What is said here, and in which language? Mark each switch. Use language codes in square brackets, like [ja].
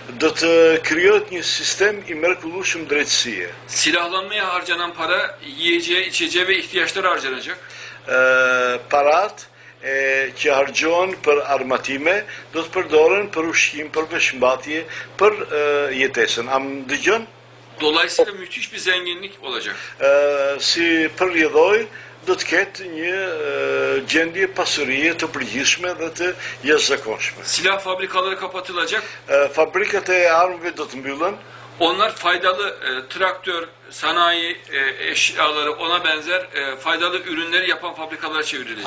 [sq] Do të krijohet një sistem i mrekullueshëm drejtësie. [tr] Silahlanmaya harcanan para, yiyeceğe, içeceğe ve ihtiyaçlara harcanacak. [sq] Parat që harxhohen për armatime do të përdoren për ushqim, për veshmbatje, për jetesën. Am dëgjon? [tr] Dolayısıyla müthiş bir zenginlik olacak. [sq] Si përlidhoj, do të ketë një gjendje pasurie të përgjithshme dhe të jashtëzakonshme. [tr] Silah fabrikaları kapatılacak. [sq] Fabrikat e armëve do të mbyllen. [tr] Onlar faydalı traktör, sanayi eşyaları, ona benzer faydalı ürünleri yapan fabrikalara çevrilecek.